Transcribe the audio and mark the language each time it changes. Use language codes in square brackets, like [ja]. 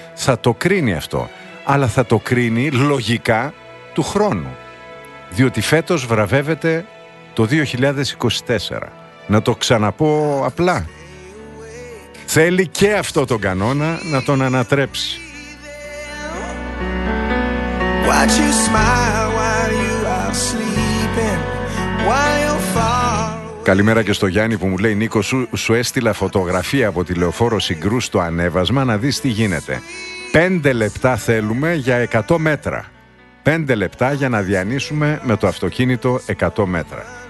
[el] Θα το κρίνει αυτό, αλλά θα το κρίνει λογικά του χρόνου. Διότι φέτος βραβεύεται το 2024. Να το ξαναπώ απλά. θέλει και αυτό τον κανόνα να τον ανατρέψει. [en] Watch you smile while you are sleeping, while you're far away. [el] Καλημέρα και στο Γιάννη που μου λέει: Νίκο, σου έστειλα φωτογραφία από τη λεωφόρο Συγκρού στο ανέβασμα να δεις τι γίνεται. 5 λεπτά θέλουμε για 100 μέτρα. 5 λεπτά για να διανύσουμε με το αυτοκίνητο 100 μέτρα.